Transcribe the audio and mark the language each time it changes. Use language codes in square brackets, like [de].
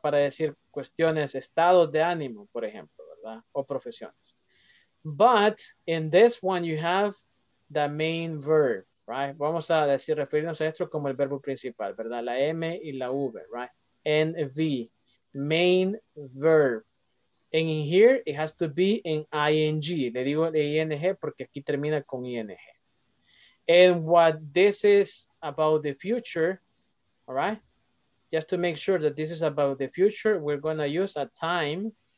[es] Para decir cuestiones, estados de ánimo, por ejemplo. O profesiones. [en] But in this one you have the main verb, right? [es] Vamos a decir, referirnos a esto como el verbo principal, ¿verdad? La M y la V, right? NV, main verb. [en] And in here it has to be in ing. Le digo ing porque aquí termina con ing. And what this is about the future, all right? Just to make sure that this is about the future, we're going to use a time.